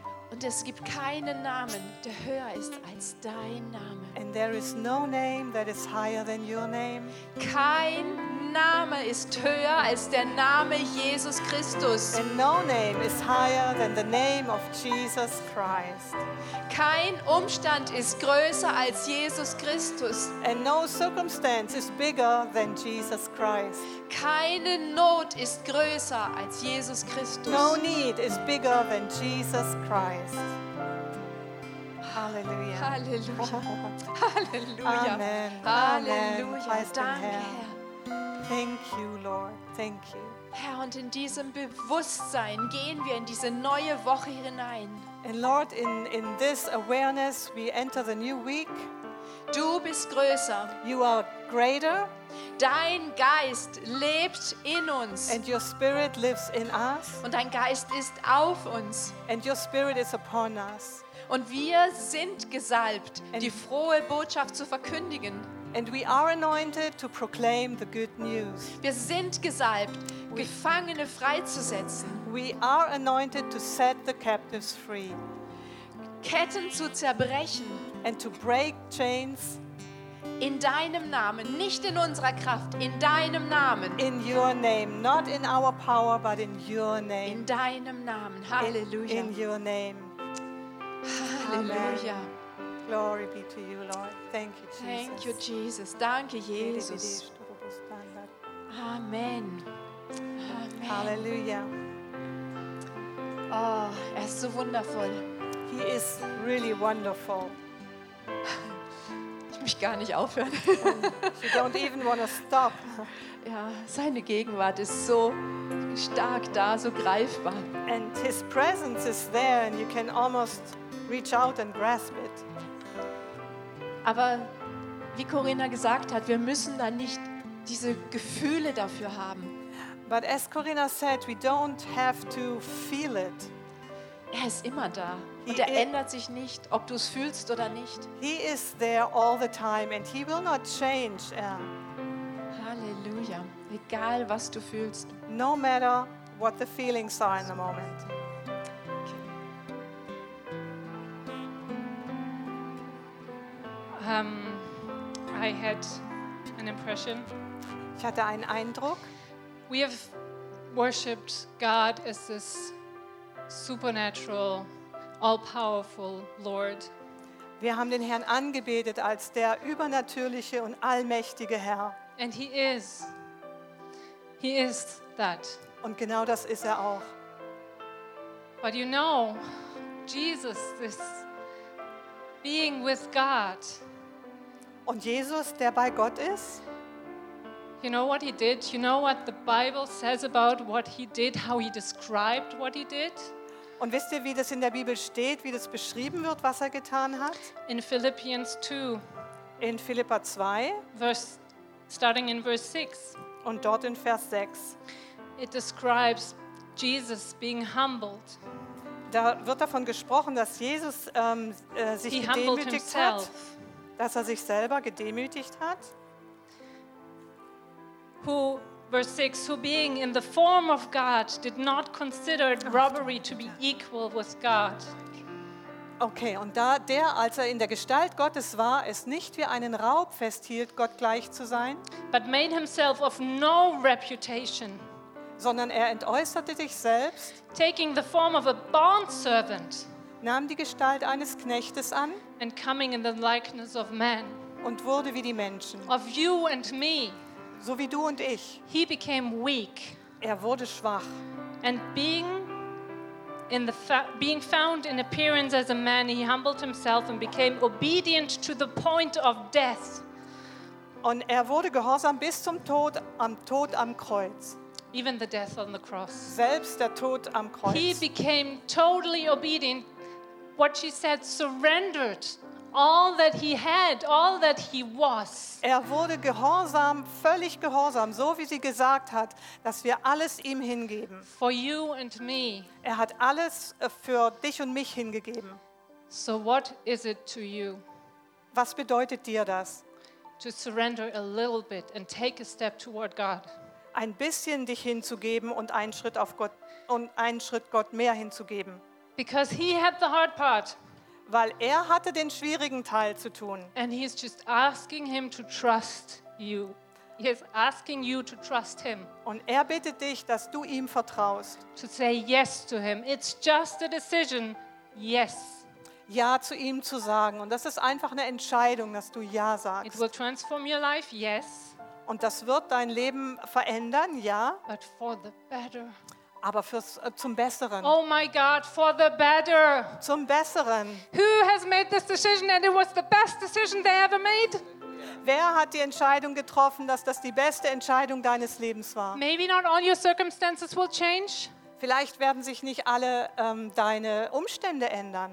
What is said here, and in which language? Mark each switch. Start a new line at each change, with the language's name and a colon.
German: Und es gibt keinen Namen, der höher ist als dein Name.
English: And there is no name that is higher than your name.
German: Kein Name ist höher als der Name Jesus Christus.
English: And no name is higher than the name of Jesus Christ.
German: Kein Umstand ist größer als Jesus Christus.
English: And no circumstance is bigger than Jesus Christ.
German: Keine Not ist größer als Jesus Christus.
English: No need is bigger than Jesus Christ. Halleluja. Halleluja. Halleluja. Amen. Halleluja. Amen.
German: Danke, Herr.
English: Thank you, Lord. Thank you.
German: Herr, und in diesem Bewusstsein gehen wir in diese neue Woche hinein.
English: And Lord, in this awareness we enter the new week.
German: Du bist größer.
English: You are greater.
German: Dein Geist lebt in uns.
English: And your spirit lives in us.
German: Und dein Geist ist auf uns.
English: And your spirit is upon us.
German: Und wir sind gesalbt, and die frohe Botschaft zu verkündigen.
English: And we are anointed to proclaim the good news.
German: Wir sind gesalbt, Gefangene freizusetzen.
English: We are anointed to set the captives free.
German: Ketten zu zerbrechen.
English: And to break chains.
German: In deinem Namen, nicht in unserer Kraft, in deinem Namen.
English: In your name, not in our power, but in your name.
German: In deinem Namen, Halleluja.
English: In your name. Halleluja. Amen. Glory be to you, Lord. Thank you, Jesus. Thank you, Jesus.
German: Danke, Jesus.
English: Amen. Amen. Halleluja.
German: Oh, er ist so wundervoll.
English: He is really wonderful.
German: Ich möchte gar nicht aufhören.
English: You don't even want to stop.
German: Ja, seine Gegenwart ist so stark da, so greifbar.
English: And his presence is there and you can almost reach out and grasp it.
German: Aber wie Corinna gesagt hat, wir müssen da nicht diese Gefühle dafür haben.
English: But as Corinna said, we don't have to feel it.
German: Er ist immer da. Und er ändert sich nicht, ob du es fühlst oder nicht.
English: He is there all the time and he will not change.
German: Halleluja. Egal, was du fühlst.
English: No matter what the feelings are in the moment. I had an impression.
German: Ich hatte einen Eindruck.
English: We have worshipped God as this supernatural, all-powerful Lord.
German: Wir haben den Herrn angebetet als der übernatürliche und allmächtige Herr.
English: And he is. He is that.
German: Und genau das ist er auch.
English: But you know, Jesus, this being with God.
German: Und Jesus, der bei Gott ist.
English: You know what he did? You know what the Bible says about what he did, how he described what he did?
German: Und wisst ihr, wie das in der Bibel steht, wie das beschrieben wird, was er getan hat?
English: In Philippians 2.
German: In Philipper 2.
English: Starting in verse 6.
German: Und dort in Vers 6.
English: It describes Jesus being humbled.
German: Da wird davon gesprochen, dass Jesus sich gedemütigt hat. Dass er sich selber gedemütigt hat.
English: Verse 6, who being in the form of God did not consider robbery to be equal with God.
German: Okay, und da der, als er in der Gestalt Gottes war, es nicht wie einen Raub festhielt, Gott gleich zu sein,
English: but made himself of no reputation,
German: sondern er entäußerte sich selbst,
English: taking the form of a bond servant,
German: nahm die Gestalt eines Knechtes an,
English: and coming in the likeness of man,
German: und wurde wie die Menschen,
English: of you and me.
German: So wie du und ich.
English: He became weak.
German: Er wurde schwach.
English: And being found in appearance as a man, he humbled himself and became obedient to the point of death.
German: Und er wurde gehorsam bis zum Tod am Kreuz.
English: Even the death on the cross.
German: Selbst der Tod am Kreuz.
English: He became totally obedient. What she said, surrendered. All that he had, all that he was.
German: Er wurde gehorsam, völlig gehorsam, so wie sie gesagt hat, dass wir alles ihm hingeben.
English: For you and me.
German: Er hat alles für dich und mich hingegeben.
English: So what is it to you?
German: Was bedeutet dir das?
English: To surrender a little bit and take a step toward God.
German: Ein bisschen dich hinzugeben und einen Schritt auf Gott und einen Schritt Gott mehr hinzugeben.
English: Because he had the hard part.
German: Weil er hatte den schwierigen Teil zu tun.
English: And he is just asking him to trust you. He is asking you to trust him.
German: Und er bittet dich, dass du ihm vertraust.
English: To say yes to him. It's just a decision. Yes.
German: Ja zu ihm zu sagen. Und das ist einfach eine Entscheidung, dass du ja sagst.
English: It will transform your life. Yes.
German: Und das wird dein Leben verändern. Ja.
English: But for the better.
German: Aber fürs zum Besseren.
English: Oh my God, for the better.
German: Zum Besseren.
English: Who has made this decision and it was the best decision they ever made?
German: Wer hat die Entscheidung getroffen, dass das die beste Entscheidung deines Lebens war?
English: Maybe not all your circumstances will change.
German: Vielleicht werden sich nicht alle deine Umstände ändern.